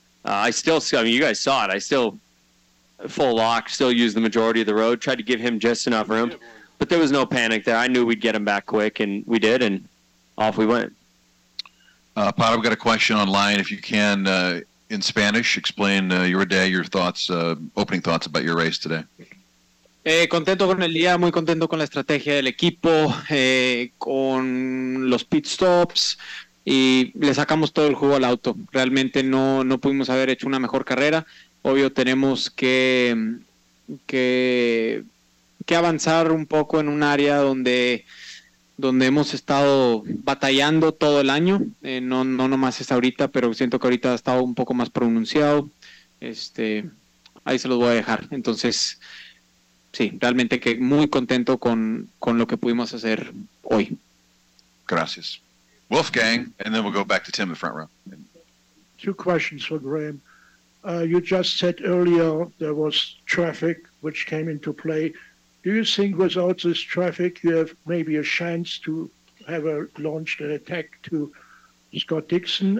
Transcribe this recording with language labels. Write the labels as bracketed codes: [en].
[en] I mean, you guys saw it. I still full lock, still used the majority of the road, tried to give him just enough room, but there was no panic there. I knew we'd get him back quick, and we did, and off we went. Pat, I've got a question online. If you can, in Spanish, explain your day, your thoughts, opening thoughts about your race today. [es] Contento con el día, muy contento con la estrategia del equipo, con los pit stops, y le sacamos todo el jugo al auto. Realmente no pudimos haber hecho una mejor carrera. Obvio, tenemos que avanzar un poco en un área donde hemos estado batallando todo el año, no nomás es ahorita, pero siento que ahorita ha estado un poco más pronunciado. Ahí se los voy a dejar. Entonces, sí, realmente que muy contento con lo que pudimos hacer hoy. Gracias. [en] Wolfgang, and then we'll go back to Tim in the front row. Two questions for Graham. You just said earlier there was traffic which came into play. Do you think without this traffic, you have maybe a chance to have launched an attack to Scott Dixon?